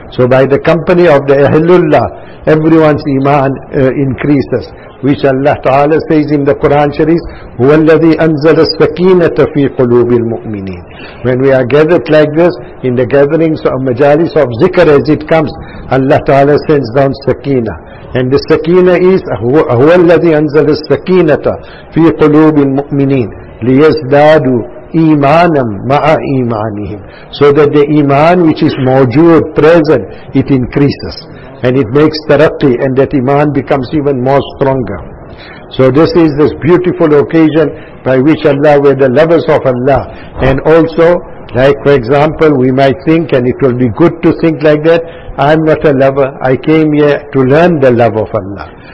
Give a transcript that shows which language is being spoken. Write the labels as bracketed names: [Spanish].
[English] So by the company of the Ahlullah, everyone's iman increases. Which Allah Ta'ala says in the Quran Sharif, [Arabic] وَالَّذِي أَنزَلَ السَّكِينَةَ فِي قُلُوبِ الْمُؤْمِنِينَ. [English] When we are gathered like this, in the gatherings of majalis of zikr as it comes, Allah Ta'ala sends down sakina. And the sakina is, [Arabic] وَالَّذِي أَنزَلَ السَّكِينَةَ فِي قُلُوبِ الْمُؤْمِنِينَ لِيَزْدَادُوا إِيمَانًا مَعَ إِيمَانِهِمْ. [English] So that the iman which is mawjood, present, it increases. And it makes taraqqi, and that iman becomes even more stronger. So this is this beautiful occasion by which Allah, we're the lovers of Allah. And also, like for example, we might think, and it will be good to think like that, I'm not a lover, I came here to learn the love of Allah.